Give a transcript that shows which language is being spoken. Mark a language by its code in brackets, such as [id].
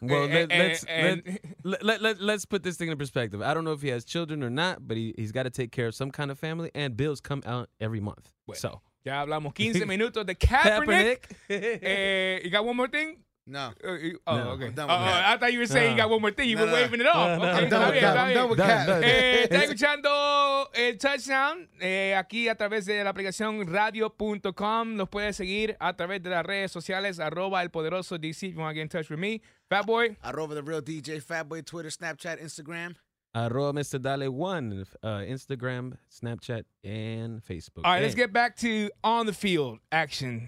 [en] Well, let's put this thing in perspective. I don't know if he has children or not, but he's got to take care of some kind of family, and bills come out every month. [es] Bueno, so ya hablamos 15 minutos de Kaepernick. [en] you got one more thing? No. I thought you were saying you got one more thing. You were waving it off. I'm done with Cap. [es] Está escuchando el touchdown aquí a través de la aplicación radio.com. Nos puede seguir a través de las redes sociales @elpoderosoDC. [en] If you want to get in touch with me, Fatboy. @TheRealDJ, Fatboy, Twitter, Snapchat, Instagram. @MrDale1, Instagram, Snapchat, and Facebook. All right, let's get back to on the field action.